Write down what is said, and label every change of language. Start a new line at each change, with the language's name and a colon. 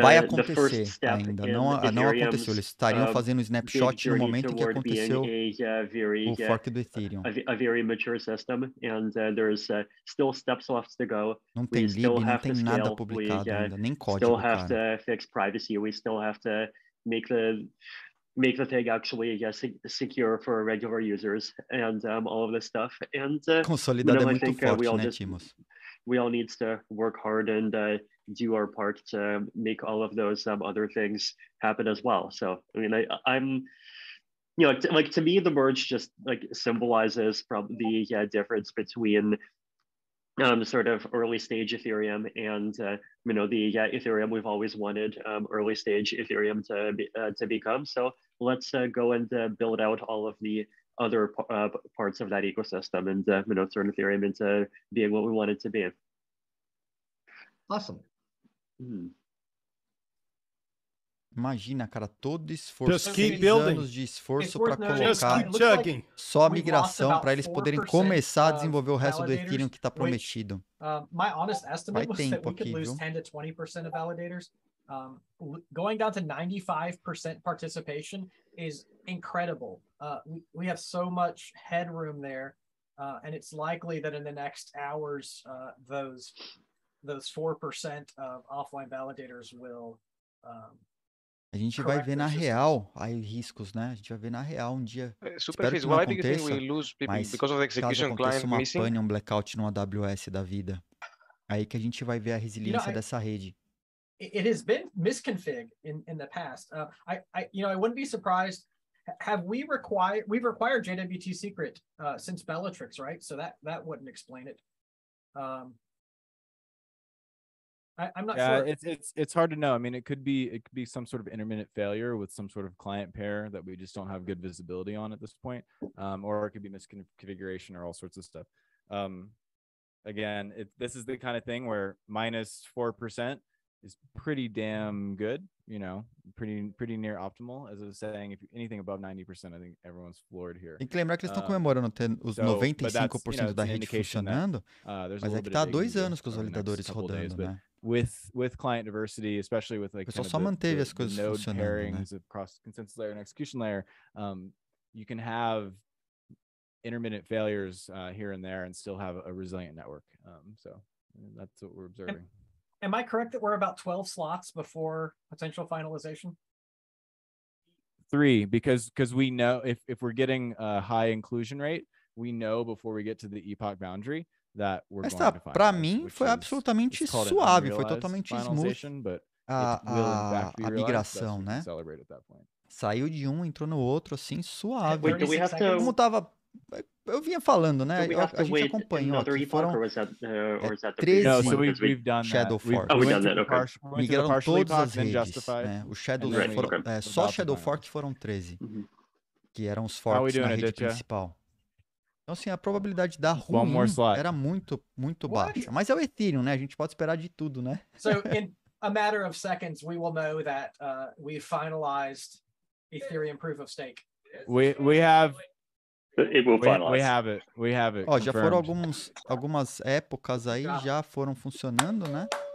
Portuguese: vai acontecer ainda. Não, não aconteceu. Eles estariam fazendo um snapshot no momento em que aconteceu o fork do Ethereum.
English: A very mature system, and there's still steps left to go.
Portuguese: Não tem lib, não tem nada publicado ainda, nem código.
English: Still have to fix privacy. We still have to make the thing actually secure for regular users and all of this stuff. And
Portuguese: consolidado é muito forte, né, Timos?
English: We all need to work hard and do our part to make all of those other things happen as well. So, I mean, I'm, you know, like to me, the merge just like symbolizes probably the difference between sort of early stage Ethereum and, you know, the Ethereum we've always wanted early stage Ethereum to become. So let's go and build out all of the other parts of that ecosystem and, you know, turn Ethereum into being what we want it to be. Awesome.
Portuguese: Imagina, cara, todo esforço, anos de esforço para colocar só a migração para eles poderem começar a desenvolver o resto do Ethereum que está prometido.
English: My honest estimate was that we could lose 10 to 20% of validators. Going down to 95% participation is incredible. We have so much headroom there, and it's likely that in the next hours, those 4% of offline validators will.
Portuguese: A gente vai ver na real aí riscos, né? A gente vai ver na real um dia.
English: Super Fizz, why do you think we lose people because of the execution client
Portuguese: uma
English: missing?
Portuguese: Pane, um blackout no AWS da vida. Aí que a gente vai ver a resiliência dessa rede.
English: It has been misconfigured in the past. I wouldn't be surprised. Have we required, we've required JWT secret since Bellatrix, right? So that wouldn't explain it. I'm not sure. It's hard to know. I mean, it could be some sort of intermittent failure with some sort of client pair that we just don't have good visibility on at this point. Or it could be misconfiguration or all sorts of stuff. This is the kind of thing where minus 4% is pretty damn good, you know, pretty near optimal. As I was saying, if anything above 90%, I think everyone's floored here.
Portuguese: Tem que lembrar que eles estão comemorando ter os 95% da rede funcionando, mas é que tá há 2 anos com os validadores rodando, né?
English: With client diversity, especially with like the node pairings across consensus layer and execution layer, you can have intermittent failures here and there and still have a resilient network. So that's what we're observing. Am I correct that we're about 12 slots before potential finalization? 3, because we know if we're getting a high inclusion rate, we know before we get to the epoch boundary.
Portuguese: Essa, para mim, foi absolutamente suave, foi totalmente smooth a migração, né? Saiu de um, entrou no outro, assim, suave. Como tava, eu vinha falando, né? A gente acompanhou aqui, foram 13 Shadow Fork. Migraram todas as redes, né? Só Shadow Fork foram 13, que eram os forks na rede principal. Então, assim, a probabilidade da ruim era muito, muito baixa. Mas é o Ethereum, né? A gente pode esperar de tudo, né?
English: So, in a matter of seconds, we will know that we finalized Ethereum proof of stake. We have it.
Portuguese: Ó, já foram algumas épocas aí, já foram funcionando, né?